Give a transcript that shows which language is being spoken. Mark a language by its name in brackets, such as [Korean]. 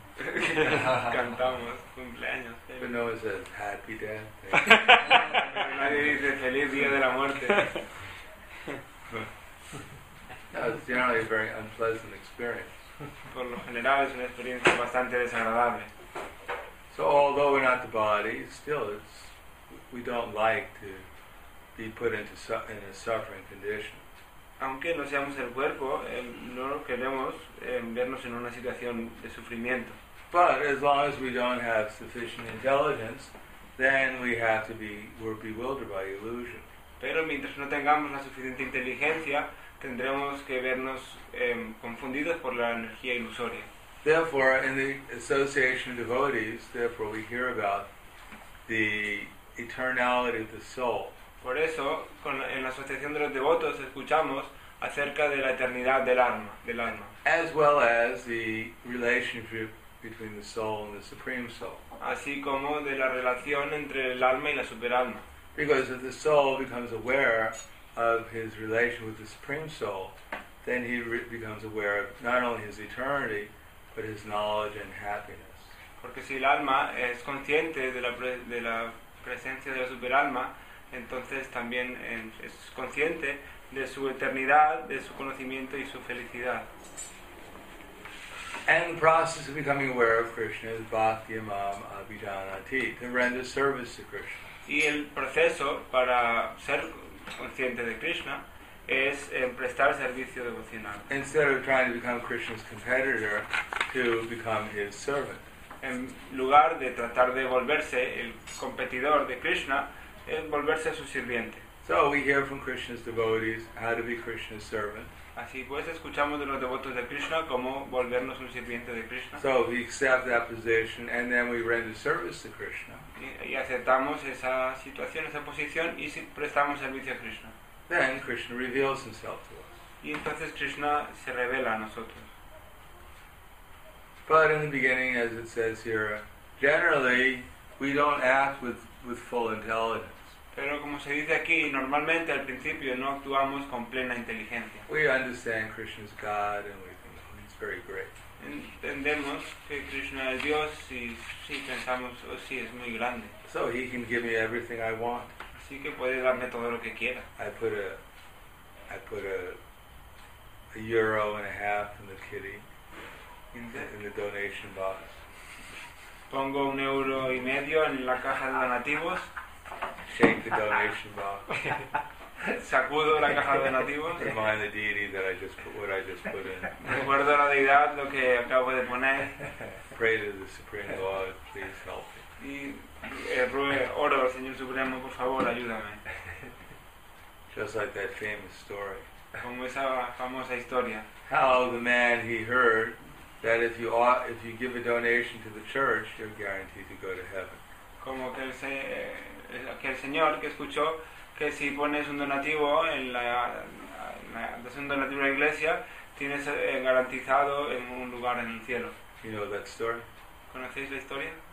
[Spanish] Cantamos cumpleaños. [English] But no one says happy death. [Spanish] Nadie dice feliz día de la muerte. [English] It's generally a very unpleasant experience. [Spanish] Por lo general es una experiencia bastante desagradable. [English] So although we're not the body, still it's we don't like to be put into in a suffering condition. [Spanish] Aunque no seamos el cuerpo, no queremos vernos en una situación de sufrimiento. [English] But as long as we don't have sufficient intelligence, then we have to be we're bewildered by illusion. [Spanish] Pero mientras no tengamos la suficiente inteligencia, tendremos que vernos confundidos por la energía ilusoria. [English] Therefore, in the association of devotees, therefore we hear about the eternality of the soul. [Spanish] Por eso, en la asociación de los devotos, escuchamos acerca de la eternidad del alma, del alma. [English] As well as the relationship between the soul and the supreme soul. [Spanish] Así como de la relación entre el alma y la superalma. [English] Because if the soul becomes aware of his relation with the supreme soul, then he becomes aware of not only his eternity, but his knowledge and happiness. [Spanish] Porque si el alma es consciente de la presencia de la superalma, entonces también es consciente de su eternidad, de su conocimiento y su felicidad. [English] And the process of becoming aware of Krishna is [Sanskrit] bhakti mam abhidhanati, [English] to render service to Krishna. [Spanish] Y el proceso para ser consciente de Krishna es prestar servicio devocional. [English] Instead of trying to become Krishna's competitor, to become his servant. [Spanish] En lugar de tratar de volverse el competidor de Krishna, es volverse su sirviente. [English] So we hear from Krishna's devotees how to be Krishna's servant. [Spanish] Así pues, escuchamos de los devotos de Krishna cómo volvernos un sirviente de Krishna. [English] So we accept that position and then we render service to Krishna. [Spanish] Y aceptamos esa situación, esa posición y prestamos servicio a Krishna. [English] Then Krishna reveals himself to us. [Spanish] Y entonces Krishna se revela a nosotros. [English] But in the beginning, as it says here, generally we don't act with full intelligence. [Spanish] Pero como se dice aquí, normalmente al principio no actuamos con plena inteligencia. [English] We understand Krishna's God and we think he's very great. [Spanish] Entendemos que Krishna es Dios y sí pensamos, oh sí, es muy grande. [English] So he can give me everything I want. [Spanish] Así que puede darme todo lo que quiera. [English] I put a euro and a half in the kitty, in the donation box. [Spanish] Pongo un euro y medio en la caja de donativos. [English] Shake the donation box. [Spanish] Sacudo la caja de donativos. [English] Remind the deity that I just put what I just put in. [Spanish] Recuerdo la deidad lo que acabo de poner. [English] Pray to the Supreme Lord, please help me. [Spanish] Y oro al Señor Supremo, por favor, ayúdame. [English] Just like that famous story. [Spanish] Como esa famosa historia. [English] How the man he heard that if you give a donation to the church, you're guaranteed to go to heaven. [Spanish] Como que él se que el señor que escuchó que si pones un donativo en la iglesia tienes garantizado en un lugar en el cielo. [English] You know that story? [Spanish] ¿Conocéis la historia?